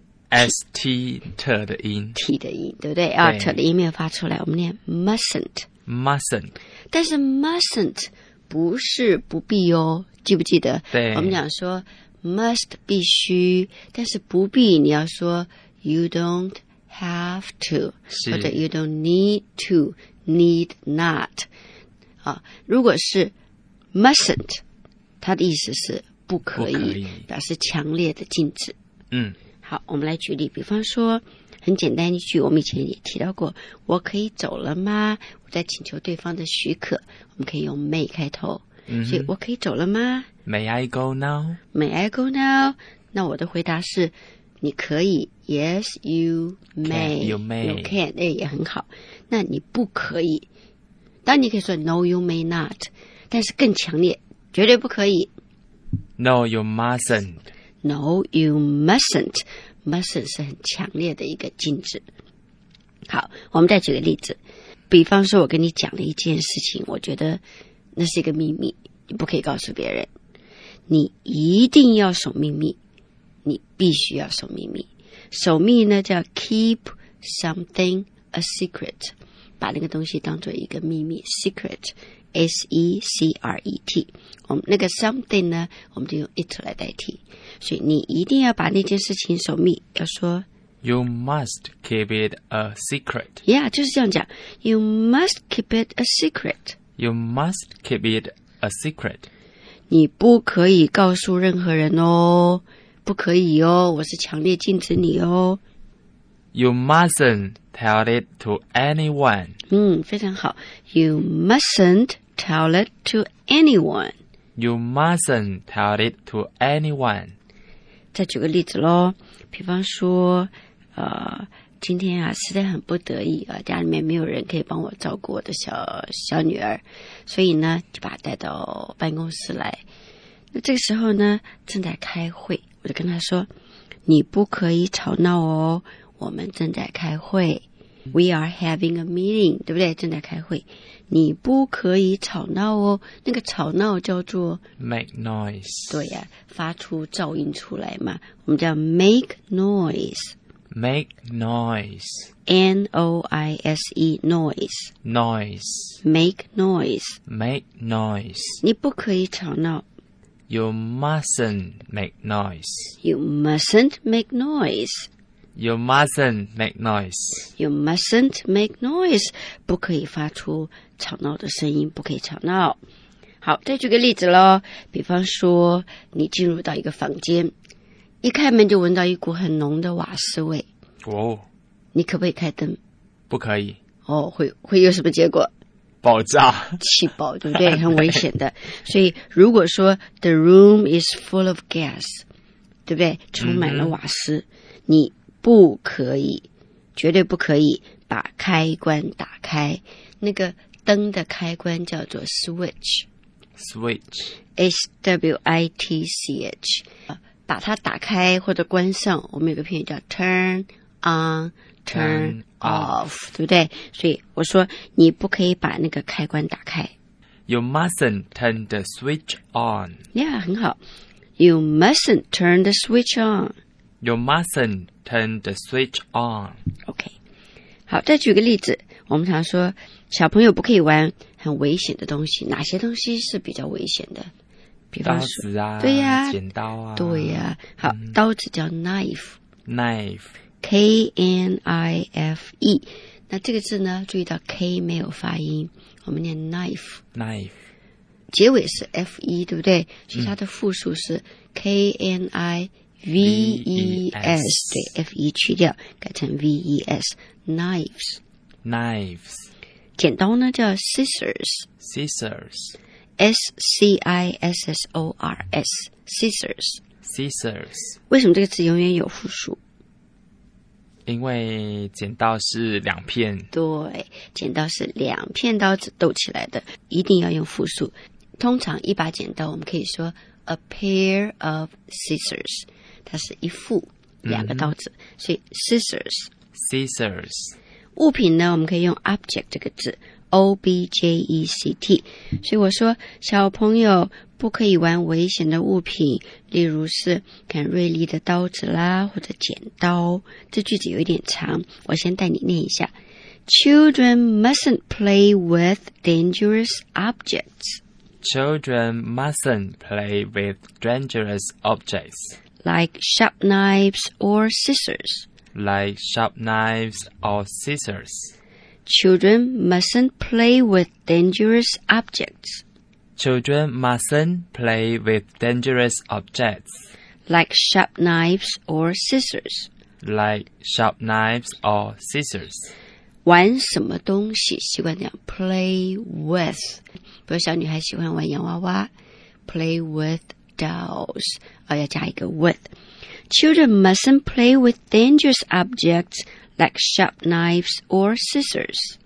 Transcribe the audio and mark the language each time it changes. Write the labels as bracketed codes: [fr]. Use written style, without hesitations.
[zh] ？S T T 的音，T 的音，对不对？啊 ，T 的音没有发出来，我们念 mustn't。 [en] mustn't。 [zh] 但是 mustn't 不是不必哦，记不记得？对。我们讲说 must 必须，但是不必你要说 [en] you don't。 Have to, 或者 you don't need to, need not.、啊、 [zh] 如果是 mustn't, 它的意思是不可以, 不可以表示强烈的禁止。嗯，好，我们来举例，比方说很简单一句，我们以前也提到过，我可以走了吗？我在请求对方的许可，我们可以用 may 开头、嗯、所以我可以走了吗？ [en] May I go now? May I go now? [zh] 那我的回答是你可以 ， [en] Yes, you may. Can, you may. You can. [zh] 哎，也很好。那你不可以。当然，你可以说 [en] No, you may not. [zh] 但是更强烈，绝对不可以。 [en] No, you mustn't. No, you mustn't. [zh] Mustn't 是很强烈的一个禁止。好，我们再举个例子。比方说，我跟你讲了一件事情，我觉得那是一个秘密，你不可以告诉别人。你一定要守秘密。你必须要守秘密，守秘呢叫 [en] keep something a secret, [zh] 把那个东西当作一个秘密 ,secret, S-E-C-R-E-T, 我们那个 something 呢我们就用 it 来代替，所以你一定要把那件事情守秘，要说 [en] You must keep it a secret. Yeah, [zh] 就是这样讲 [en] You must keep it a secret. You must keep it a secret. [zh] 你不可以告诉任何人哦，不可以哦，我是强烈禁止你哦。 [en] You mustn't tell it to anyone. [zh] 嗯，非常好。 [en] You mustn't tell it to anyone. You mustn't tell it to anyone. [zh] 再举个例子咯，比方说，今天啊，实在很不得已啊，家里面没有人可以帮我照顾我的小女儿，所以呢，就把她带到办公室来。那这个时候呢，正在开会。我就跟他说你不可以吵闹哦，我们正在开会。 [en] We are having a meeting, [zh] 对不对？正在开会。你不可以吵闹哦，那个吵闹叫做 [en] make noise。 [zh] 对呀、啊、发出噪音出来嘛。我们叫 make noise。 [en] make noise。 N-O-I-S-E, noise。 noise。 make noise。 make noise。 [zh] 你不可以吵闹。 [en] You mustn't make noise. You mustn't make noise. You mustn't make noise. You mustn't make noise. [zh] 不可以发出吵闹的声音，不可以吵闹。好，再举个例子咯。比方说，你进入到一个房间，一开门就闻到一股很浓的瓦斯味。哦。你可不可以开灯？不可以。哦，会有什么结果？爆炸，气爆，对不对？很危险的。所以，如果说 [en] the room is full of gas, [zh] 对不对？充满了瓦斯、嗯，你不可以，绝对不可以把开关打开。那个灯的开关叫做 switch, [en] switch, s w i t c h, 把它打开或者关上。 [zh] 我们有个片语叫 turn on。 [en] Turn off, [zh] 对不对？所以我说你不可以把那个开关打开。 [en] You mustn't turn the switch on. [zh] Yeah, 很好。 [en] You mustn't turn the switch on. You mustn't turn the switch on. [zh] OK. 好，再举个例子。我们常说小朋友不可以玩很危险的东西。哪些东西是比较危险的？比方说刀子啊，对呀、啊，剪刀啊，对呀、啊。好、嗯，刀子叫 knife. [en] Knife. K-N-I-F-E。 [zh] 那这个字呢，注意到 K 没有发音，我们念 knife [en] knife， [zh] 结尾是 F-E 对不对？所以它的复数是 K-N-I-V-E-S、嗯、对， F-E 去掉改成 V-E-S knives [en] knives。 [zh] 剪刀呢叫 scissors [en] scissors S-C-I-S-S-O-R-S scissors scissors。 [zh] 为什么这个字永远有复数？因为剪刀是两片，对，剪刀是两片刀子斗起来的，一定要用复数。通常一把剪刀我们可以说 [en] a pair of scissors， [zh] 它是一副两个刀子、嗯、所以 scissors [en] scissors。 [zh] 物品呢我们可以用 object 这个字 object， 所以我说小朋友不可以玩危险的物品，例如是很锐利的刀子啦，或者剪刀。这句子有一点长，我先带你念一下。 [en] Children mustn't play with dangerous objects. Children mustn't play with dangerous objects. Like sharp knives or scissors. Like sharp knives or scissors. Children mustn't play with dangerous objects. Children mustn't play with dangerous objects. Like sharp knives or scissors. Like sharp knives or scissors. [zh] 玩什么东西习惯讲 play with. 比如小女孩喜欢玩洋娃娃 [en] play with dolls. [zh] 要加一个 with. [en] Children mustn't play with dangerous objects like sharp knives or scissors.